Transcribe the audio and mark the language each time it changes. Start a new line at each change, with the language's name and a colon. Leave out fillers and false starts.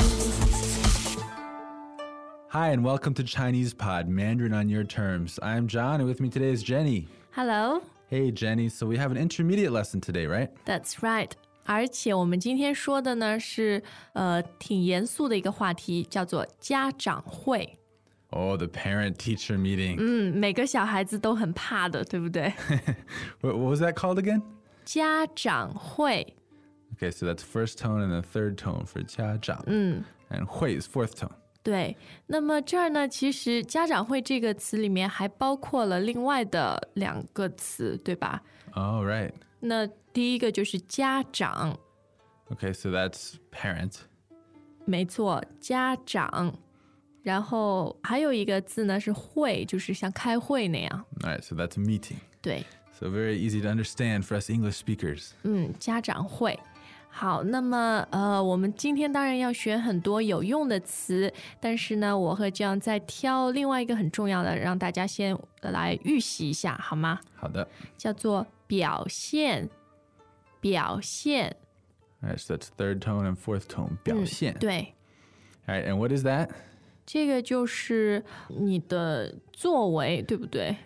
English: Hi, and welcome to Chinese Pod, Mandarin on your terms. I'm John, and with me today is Jenny. Hello. Hey, Jenny. So we have an intermediate lesson today, right? That's right.
Chinese: 而且我们今天说的呢是挺严肃的一个话题，叫做家长会。
English: Oh, the parent-teacher meeting.
Chinese: 每个小孩子都很怕的，对不对？
English: What was that called again?
Chinese: 家长会。
English: Okay, so that's first tone and the third tone for 家长。 And 会 is fourth tone.
Chinese: 对，那么这儿呢，其实家长会这个词里面还包括了另外的两个词，对吧？
English: Oh, right.
Chinese: 那第一个就是家长。
English: Okay, so that's parent.
Chinese: 没错，家长。然后还有一个字呢，是会，就是像开会那样。
English: All right, so that's a meeting.
Chinese: 对。
English: So very easy to understand for us English speakers.
Chinese: 家长会。好，那么我们今天当然要学很多有用的词，但是呢，我和这样再挑另外一个很重要的，让大家先来预习一下，好吗？好的。叫做表现，表现。
English: Alright, so that's third tone and fourth tone, 表现。
Chinese: 对。
English: Alright, and what is that?
Chinese: 这个就是你的作为，对不对？